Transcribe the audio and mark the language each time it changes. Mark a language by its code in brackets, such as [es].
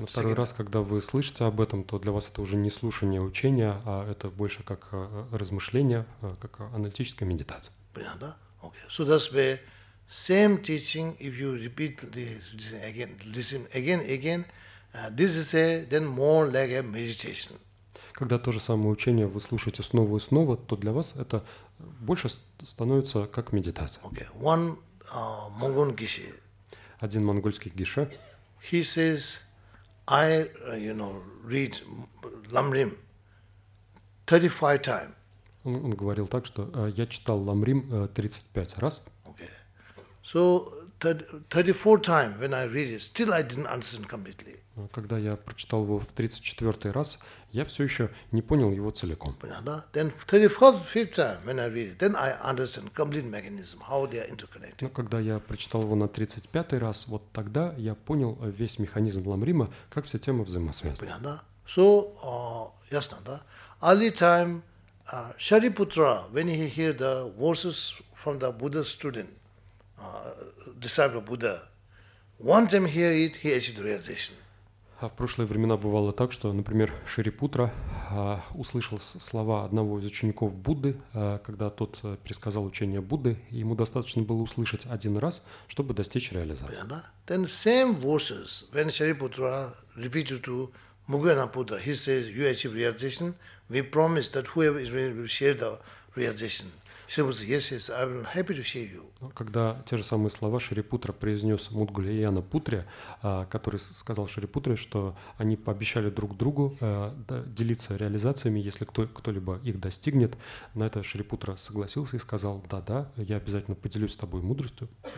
[ru] Но второй раз, когда вы слышите об этом, то для вас это уже не слушание учения, а это больше как размышление, как аналитическая медитация. Понятно, да? Okay. [en] So that's the same teaching, if you repeat this again, listen again, again, this is a then more like a meditation. [ru] Когда то же самое учение вы слушаете снова и снова, то для вас это больше становится как медитация. [en] Okay. One Mongol Geshe. [ru] Один монгольский Геше. [en] He says, I, you know, read Lamrim 35 times. [ru] Он говорил так, что я читал Lamrim 35 раз. [en] Okay. So 34 times when I read it, still I didn't understand completely. [ru] Когда я прочитал его в 34-й раз, я все еще не понял его целиком. Понятно, да? [en] Then 35th time when I read it, then I understand complete mechanism, how they are interconnected. [ru] Но когда я прочитал его на 35-й раз, вот тогда я понял весь механизм Ламрима, как все темы взаимосвязаны. Понятно, да? [en] So, [ru] ясно, да? [en] Early time, Shariputra, when he hear the verses from the Buddha student, disciple Buddha, one time he hear it, he achieved the realization. [ru] А в прошлые времена бывало так, что, например, Шарипутра услышал слова одного из учеников Будды, когда тот пересказал учение Будды, ему достаточно было услышать один раз, чтобы достичь реализации. Да? [en] Then same verses when Shariputra repeated to Mugana Buddha, he says, "You achieve realization. We promise that whoever is ready will share the realization." Yes, I'm happy to share you. [ru] Когда те же самые слова Шарипутра произнес Мудгалияна Путре, который сказал Шарипутре, что они пообещали друг другу делиться реализациями, если кто-либо их достигнет, на это Шарипутра согласился и сказал: «Да-да, я обязательно поделюсь с тобой мудростью».